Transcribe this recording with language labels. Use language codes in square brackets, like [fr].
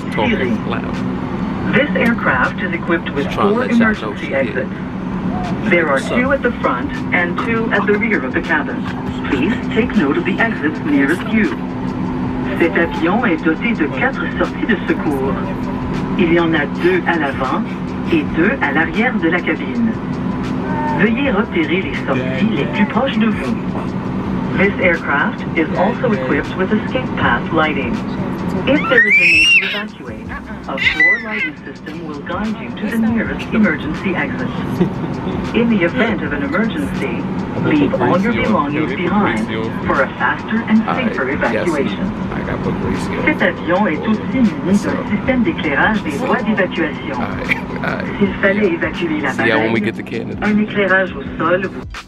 [en] This aircraft is equipped with four emergency exits. There are two at the front and two at the rear of the cabin. Please take note of the exits nearest you. [fr] Cet avion est doté de quatre sorties de secours. Il y en a deux à l'avant et deux à l'arrière de la cabine. Veuillez repérer les sorties les plus proches de vous. [en] This aircraft is also equipped with escape path lighting. If there is a need to evacuate, a floor lighting system will guide you to the nearest emergency exit. In the event of an emergency, leave all your belongings behind for a faster and safer evacuation. [fr] Cet avion est aussi muni d'un système d'éclairage des voies d'évacuation. S'il fallait évacuer l'appareil, un éclairage au sol vous...